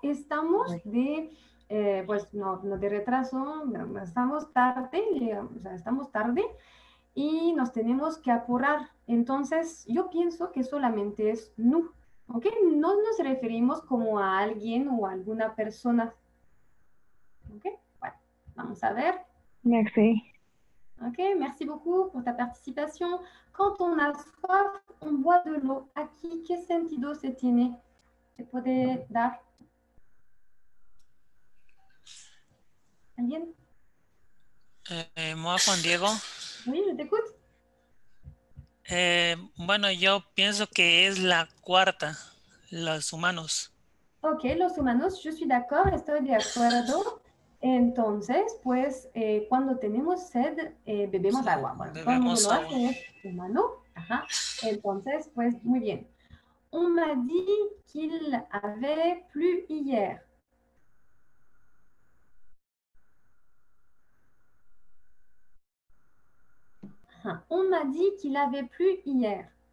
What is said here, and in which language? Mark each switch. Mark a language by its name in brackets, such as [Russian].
[Spanish] Estamos de, pues no, no de retraso, estamos tarde, digamos, o sea, estamos tarde y nos tenemos que apurar. Entonces, yo pienso que solamente es nu, ¿ok? No nos referimos como a alguien o a alguna persona. ¿Ok? Bueno, vamos a ver. [French] Merci. Ok, merci beaucoup pour ta participation. Quand on a soif, on boit de l'eau. [Spanish] Aquí, ¿qué sentido se tiene? ¿Se puede dar? ¿Alguien? [French] Moi, Juan Diego. Oui, je t'écoute. [Spanish] Bueno, yo pienso que es la cuarta, los humanos. Ok, los humanos, [French] je suis d'accord, [Spanish] estoy de acuerdo. Entonces, pues, cuando tenemos sed, bebemos agua. Bueno, bebemos agua. Cuando lo hace, humano. Ajá. Entonces, pues, muy bien. [French] On m'a dit qu'il avait plu hier. On m'a dit qu'il avait plu hier.